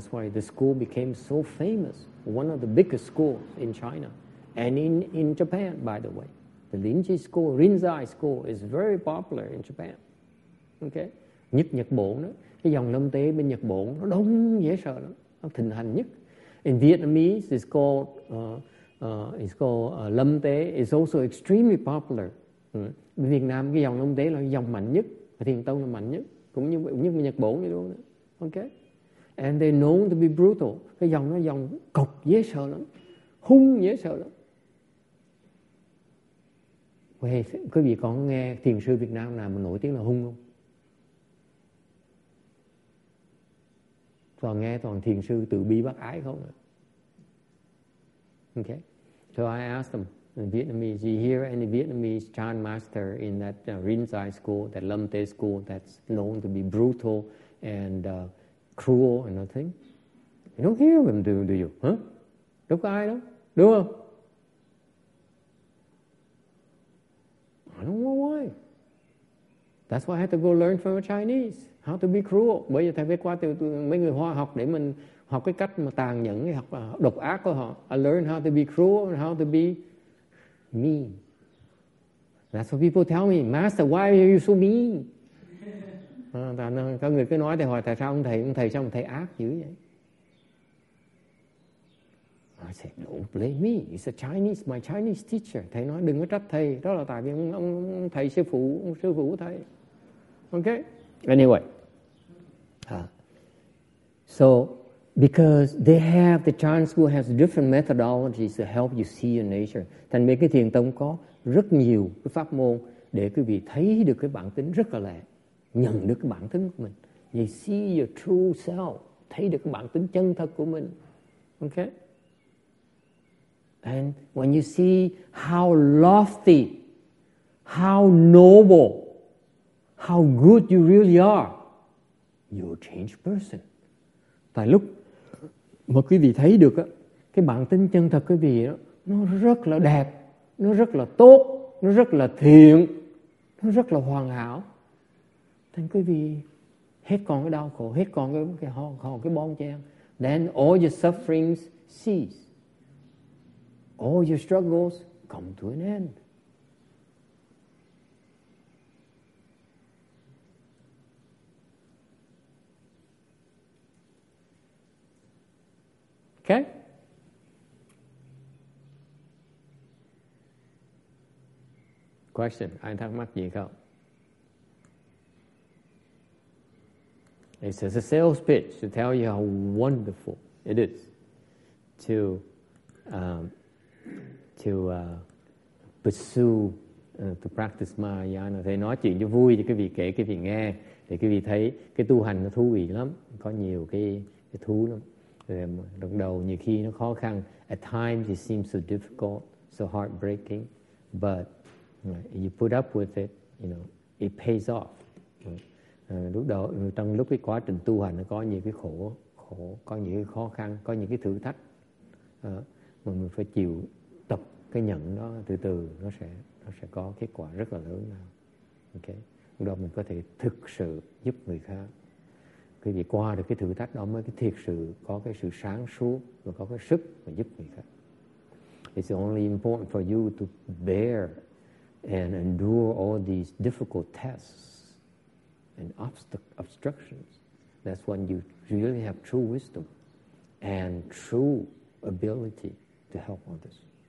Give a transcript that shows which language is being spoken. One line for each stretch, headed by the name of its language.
English: That's why the school became so famous, one of the biggest schools in China and in Japan, by the way. The Linji school, Rinzai school, is very popular in Japan. Okay.
Vietnamese: Nhất Nhật Bổn đó, cái dòng Lâm Tế bên Nhật Bổn nó đông dễ sợ lắm, nó thịnh hành nhất.
English: In Vietnamese it's called Lâm Tế is also extremely popular.
Vietnamese: In Việt Nam cái dòng Lâm Tế là dòng mạnh nhất, Thiền Tông là mạnh nhất, cũng như Nhật Bổn vậy luôn. Okay.
English: And they're known to be brutal.
Vietnamese: Cái dòng nó dòng cọc dễ sợ lắm, hung dễ sợ lắm. Quý vị có nghe thiền sư Việt Nam nào mà nổi tiếng là hung không? Toàn nghe toàn thiền sư từ bi bác ái không?
English: Okay. So I asked them in Vietnamese, do you hear any Vietnamese Chan master in that Rinzai school, that Lâm Tế school, that's known to be brutal and cruel and nothing? You don't hear them, do you? Huh?
Vietnamese: Đâu có ai đâu, đúng không?
English: I don't know why. That's why I had to go learn from a Chinese how to be cruel.
Vietnamese: Bây giờ thầy phải qua từ mấy người Hoa học để mình học cái cách mà tàn nhẫn, học độc ác của họ.
English: I learned how to be cruel and how to be mean. That's what people tell me, Master, why are you so mean?
Vietnamese: Có người cứ nói thầy, hỏi tại sao ông thầy sao ông thầy ác dữ vậy?
English: I said, don't blame me. It's a Chinese, my Chinese teacher.
Vietnamese: Thầy nói đừng có trách thầy. Đó là tại vì ông thầy sư phụ của thầy.
English: Okay? Anyway. So, because they have, the Chan school has different methodologies to help you see your nature.
Vietnamese: Thành mấy cái thiền tông có rất nhiều cái pháp môn để quý vị thấy được cái bản tính rất là lẹ. Nhận được cái bản tính của mình.
English: You see your true self.
Vietnamese: Thấy được cái bản tính chân thật của mình.
English: Okay? And when you see how lofty, how noble, how good you really are, you're a changed person.
Vietnamese: Tại lúc mà quý vị thấy được á, cái bản tính chân thật quý vị đó, nó rất là đẹp, nó rất là tốt, nó rất là thiện, nó rất là hoàn hảo. Thành quý vị hết còn cái đau khổ, hết còn cái bon chen.
English: Then all your sufferings cease. All your struggles come to an end. Okay?
Vietnamese: Question, ai thắc mắc gì không?
English: It's a sales pitch to tell you how wonderful it is to practice Mahayana.
Vietnamese: Thầy nói chuyện cho vui, cho quý vị kể, quý vị nghe, để quý vị thấy cái tu hành nó thú vị lắm, có nhiều cái thú lắm. Lúc đầu nhiều khi nó khó khăn,
English: at times it seems so difficult, so heartbreaking, but you put up with it, you know, it pays off.
Vietnamese: Lúc đó, trong lúc cái quá trình tu hành nó có nhiều cái khổ, có những cái khó khăn, có những cái thử thách, mà mình phải chịu tập cái nhận đó, từ từ nó sẽ có kết quả rất là lớn. Okay. Lúc đó mình có thể thực sự giúp người khác. Cái việc qua được cái thử thách đó mới cái thiệt sự có cái sự sáng suốt và có cái sức mà giúp người khác.
English: It's only important for you to bear and endure all these difficult tests and obstructions. That's when you really have true wisdom and true ability to help others.